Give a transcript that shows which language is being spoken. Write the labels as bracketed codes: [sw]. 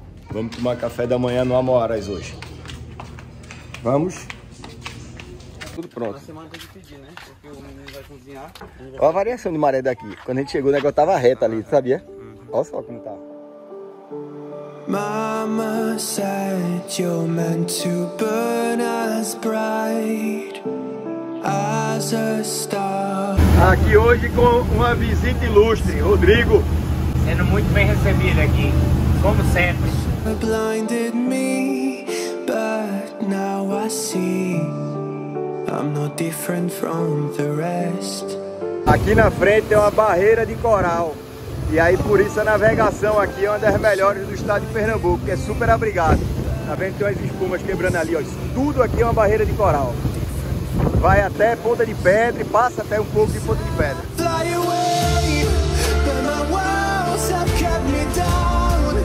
[pt] Vamos tomar café da manhã no Amoaras hoje. Vamos. Tudo pronto. Na semana tem que pedir, né? Porque o menino vai cozinhar. Olha a variação de maré daqui. Quando a gente chegou, o negócio tava reto ali, sabia? Olha só como tava. [en] Mama said you're meant to burn as bright as a star. [pt] Aqui hoje com uma visita ilustre, Rodrigo. Sendo muito bem recebido aqui, como sempre. [en] Blinded me, but now I see. I'm not different from the rest. [pt] Aqui na frente tem uma barreira de coral. E aí por isso a navegação aqui é uma das melhores do estado de Pernambuco, que é super abrigado. Tá vendo que tem umas espumas quebrando ali, ó. Isso tudo aqui é uma barreira de coral. Vai até Ponta de Pedra e passa até um pouco de Ponta de Pedra. [en] Fly away, but my walls have kept me down.